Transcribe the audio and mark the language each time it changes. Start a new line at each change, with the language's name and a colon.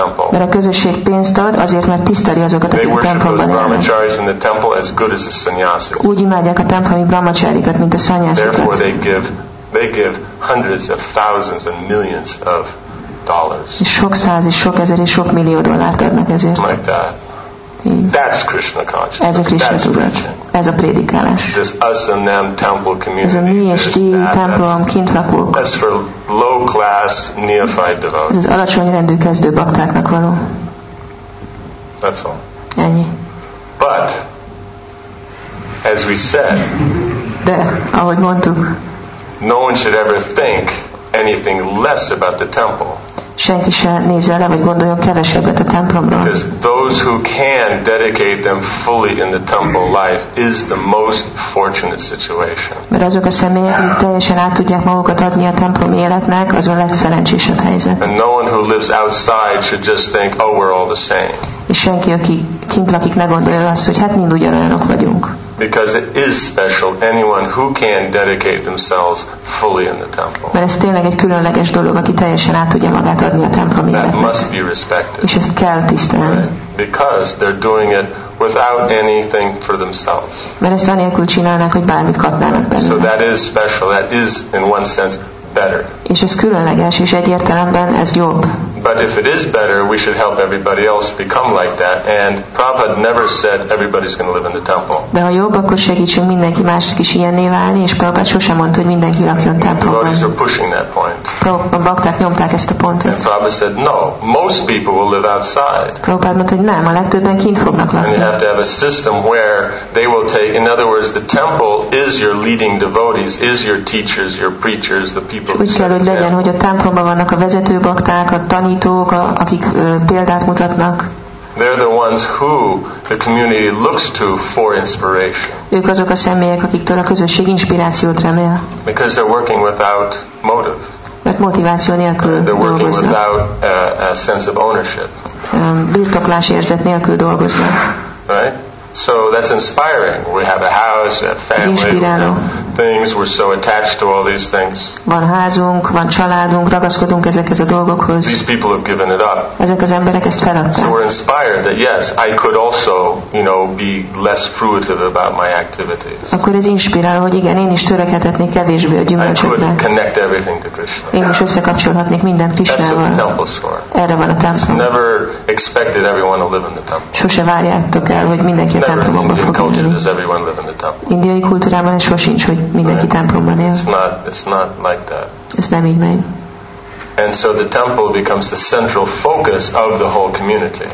Hungarian: Mert a közösség pénzt ad, azért, mert tiszteli azokat, akik a templomban élnek. Úgy imádják a templomi brahmacharikat, mint a szanyászikat.
English: They give hundreds of thousands and millions of dollars.
Hungarian: És sok száz, és sok ezer, és sok millió dollárt adnak ezért.
English: Like that. That's Krishna consciousness.
Hungarian: Ez a Krishna tudat. Ez a prédikálás.
English: This us and them temple community.
Hungarian: Ez a mi és ti templom, kint lakók.
English: That's for low class neophyte devotees.
Hungarian: Ez az alacsony rendű kezdő baktáknak való.
English: That's all.
Hungarian: Ennyi.
English: But, as we said,
Hungarian: de, ahogy mondtuk,
English: no one should ever think anything less about the temple.
Hungarian: Senki se nézze le, vagy gondoljon kevesebbet a templomról.
English: Because those who can dedicate them fully in the temple life is the most fortunate situation.
Hungarian: Mert azok a személyek, akik teljesen át tudják magukat adni a templom életnek, az a legszerencsésebb helyzet.
English: And no one who lives outside should just think, oh, we're all the same.
Hungarian: És senki, aki kint lakik, ne gondolja azt, hogy hát mind ugyanolyanok vagyunk.
English: Because it is special, anyone who can dedicate themselves fully in the temple.
Hungarian: Mert ez tényleg egy különleges dolog, aki teljesen át tudja magát adni a templom életnek.
English: That must be respected.
Hungarian: És ezt kell tisztelni.
English: Because they're doing it without anything for themselves.
Hungarian: Mert ezt anélkül csinálnak, hogy bármit kapnának belőle.
English: So that is special, that is in one sense better.
Hungarian: És ez különleges, és egy értelemben ez jobb.
English: But if it is better, we should help everybody else become like that. And Prabhupada never said everybody's going to live in the temple.
Hungarian: De ha jobb, akkor segítsünk mindenki másnak is ilyenné válni, és Prabhupada sosem mondta, hogy mindenki lakjon templomban.
English: Devotees are pushing that point.
Hungarian: A bakták nyomták ezt a pontot.
English: And Prabhupada said, no, most people will live outside.
Hungarian: Prabhupada mondta, hogy nem, a legtöbben kint fognak lakni.
English: And you have to have a system where they will take, in other words, the temple is your leading devotees, is your teachers, your preachers, the people.
Hungarian: Úgy kell, hogy legyen, hogy a templomban vannak a vezető bakták, a tanítók, akik példát mutatnak.
English: They're the ones who the community looks to for inspiration.
Hungarian: Ők azok a személyek, akiktől a közösség inspirációt remél.
English: Because they're working without motive.
Hungarian: Mert motiváció nélkül dolgoznak.
English: They're working without a sense of ownership.
Hungarian: Birtoklás érzet nélkül dolgoznak.
English: Right? So that's inspiring. We have a house, a family, we have things. We're so attached to all these things.
Hungarian: Van házunk, van családunk, ragaszkodunk ezekhez a dolgokhoz.
English: These people have given it up.
Hungarian: Ezek az emberek ezt feladták.
English: So we're inspired that yes, I could also, you know, be less fruitive about my activities.
Hungarian: Akkor ez inspiráló, hogy igen, én is törekedhetnék kevésbé a gyümölcsökre.
English: I could connect everything to Krishna.
Hungarian: Én is összekapcsolhatnék mindent Krishnával.
English: That's what the temple's for.
Hungarian: Erre van a templom.
English: Never expected everyone to live in the temple.
Hungarian: Sose várjátok el, hogy mindenki
English: never
Hungarian: a templomban
English: in
Hungarian: fog élni.
English: Does everyone live in the temple?
Hungarian: Indiai kultúrában ez sosincs, hogy mindenki
English: right.
Hungarian: templomban él.
English: It's not like that.
Hungarian: Ez nem így megy.
English: And so the temple becomes the central focus of the whole community.